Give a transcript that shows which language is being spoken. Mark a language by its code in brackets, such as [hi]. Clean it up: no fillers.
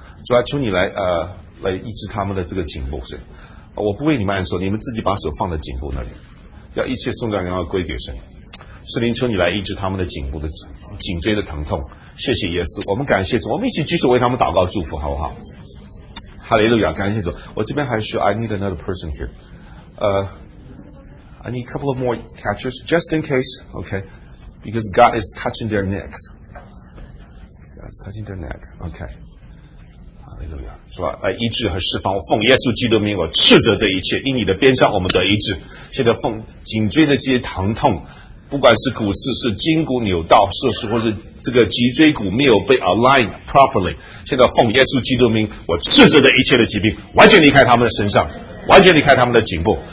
[zh] 主要求你来医治他们的这个颈部，神。我不为你们按手，你们自己把手放在颈部那里，要一切颂赞荣耀归给神。圣灵，求你来医治他们的颈部的颈椎的疼痛。谢谢耶稣，我们感谢主，我们一起举手为他们祷告祝福，好不好？哈利路亚，感谢主。我这边还需要 [en] I need another person here. I need a couple of more catchers just in case, okay? Because God is touching their necks. God is touching their neck, okay? [zh] 哈利路亚，是吧？来医治和释放，我奉耶稣基督名，我斥责这一切。因你的鞭伤，我们得医治。现在奉颈椎的这些疼痛，不管是骨刺、是筋骨扭到、是或是这个脊椎骨没有被 [en] align properly， [zh] 现在奉耶稣基督名，我斥责的一切的疾病完全离开他们的身上，完全离开他们的颈部。